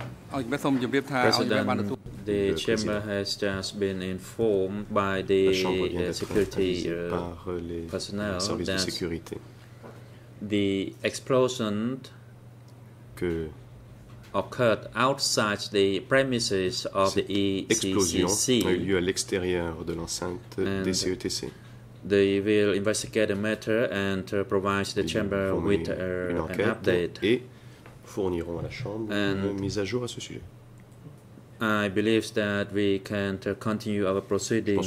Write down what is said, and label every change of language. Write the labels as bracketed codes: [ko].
[en] President, the chamber has just been informed by the security personnel that the explosion occurred outside the premises of the ECCC [fr] a lieu à l'extérieur de l'enceinte des CETC. [en] They will investigate the matter and provide the chamber with an update. [fr] Fourniront à la Chambre [en] and [fr] une mise à jour à ce sujet. [en] I believe that we can continue our proceedings